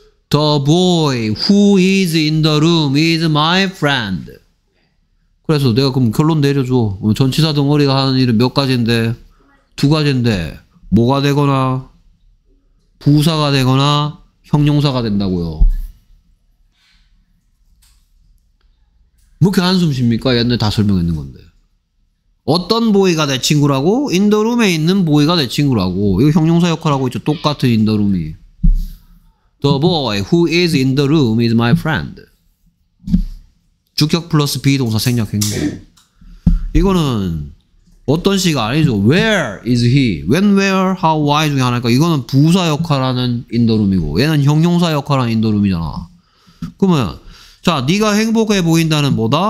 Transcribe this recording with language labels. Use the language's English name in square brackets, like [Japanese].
[English] The boy who is in the room is my friend. [Korean] 그래서 내가 그럼 결론 내려줘. 전시사 덩어리가 하는 일은 몇 가지인데? 두 가지인데 뭐가 되거나 부사가 되거나 형용사가 된다고요. 왜 이렇게 한숨 쉽니까? 옛날에 다 설명했는 건데. 어떤 보이가 내 친구라고? 인더룸에 있는 보이가 내 친구라고. 이거 형용사 역할하고 있죠. 똑같은 인더룸이. [English] The boy who is in the room is my friend. [Korean] 주격 플러스 비동사 생략했네. 이거는 어떤 식이 아니죠. [English] Where is he? When, where, how, why [Korean] 중에 하나니까 이거는 부사 역할하는 in the room이고 얘는 형용사 역할하는 in the room이잖아. 그러면 자 네가 행복해 보인다는 뭐다?